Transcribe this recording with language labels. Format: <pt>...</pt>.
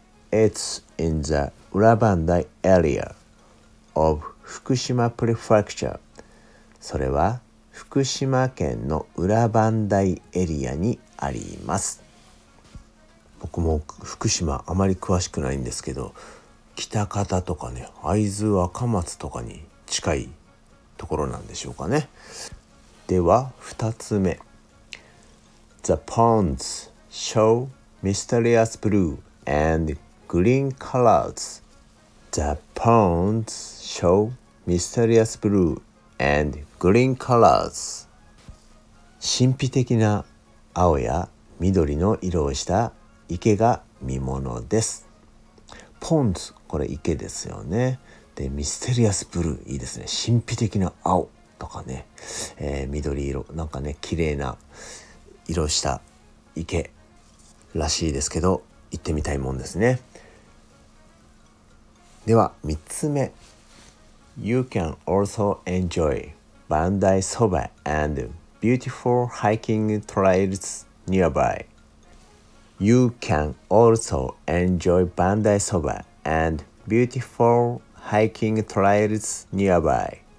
<en>It's in the Rabandai area of Fukushima Prefecture.</en> <ja>それは福島県の裏磐梯エリアにあります。僕も福島あまり詳しくないんですけど、喜多方とかね、会津若松とかに近いところなんでしょうかね。では2つ目、</ja> <en>The ponds show mysterious blue and green colors. The ponds show mysterious blue and green colors.</en> <ja>神秘的な青や緑の色をした池が見ものです。ポンズ、これ池ですよね。でミステリアスブルー、いいですね。神秘的な青とかね、緑色、なんかね綺麗な色した池らしいですけど、行ってみたいもんですね。では3つ目、</ja> <en>You can also enjoy Bandai Soba and beautiful hiking trails nearbyYou can also enjoy Bandai Soba and beautiful hiking trails nearby.</en>